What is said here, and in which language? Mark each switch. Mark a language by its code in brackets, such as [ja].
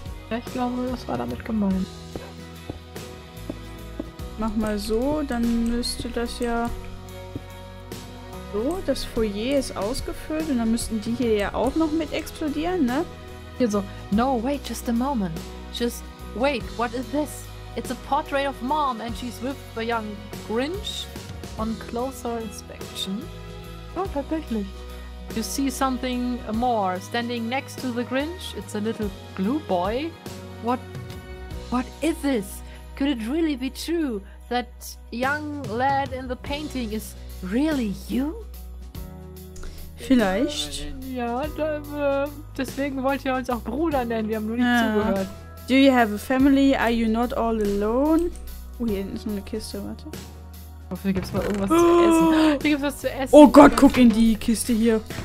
[de] Ja, ich glaube, das war damit gemeint. Mach mal so, dann müsste das ja... So, das Foyer ist ausgefüllt und dann müssten die hier ja auch noch mit explodieren, ne? Hier so, [en] no, wait, just a moment. Just, wait, what is this? It's a portrait of Mom and she's with the young Grinch on closer inspection. [de] Oh, tatsächlich. [en] You see something more standing next to the Grinch. It's a little blue boy. What is this? Could it really be true that young lad in the painting is really you? [de] Vielleicht. Ja, da, deswegen wollt ihr uns auch Bruder nennen. Wir haben nur nicht zugehört. [en] Do you have a family? Are you not all alone? [de] Oh, hier hinten ist noch eine Kiste, warte. Ich hoffe, hier gibt's mal irgendwas zu essen. Hier gibt's was zu essen. Oh Gott, guck in die Kiste hier.